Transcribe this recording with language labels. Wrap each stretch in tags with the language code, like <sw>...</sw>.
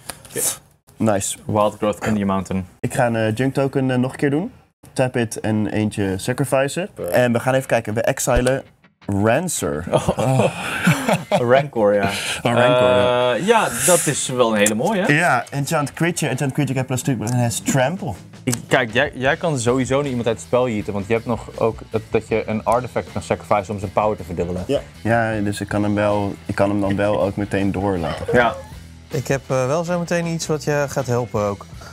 <en>Okay. Nice. Wildgrowth in the mountain.</en> <nl>Ik ga een junk token nog een keer doen.</nl> <en>Tap it</en> <nl>en eentje sacrificen. En we gaan even kijken. We exilen Rancor. Oh. Rancor, ja. Rancor, ja. Ja, dat is wel een hele mooie.</nl> <en>Ja, Enchant creature get plus 2, but it has trample.</en> <nl>Kijk, jij kan sowieso niet iemand uit het spel jeeten, want je hebt nog ook dat je een artifact kan sacrificen om zijn power te verdubbelen. Ja, dus ik kan hem dan wel ook meteen doorlaten. Ja. Ik heb wel zo meteen iets wat je gaat helpen ook.</nl>